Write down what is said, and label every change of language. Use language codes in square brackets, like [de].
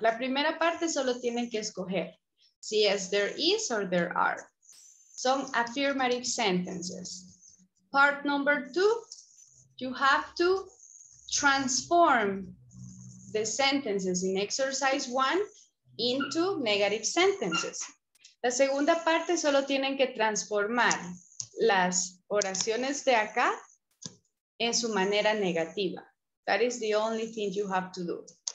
[es] La primera parte solo tienen que escoger. Si es [en] there is or there are. Some affirmative sentences. Part number two, you have to transform the sentences in exercise one into negative sentences. [es] La segunda parte solo tienen que transformar las oraciones de acá en su manera negativa. [en] That is the only thing you have to do.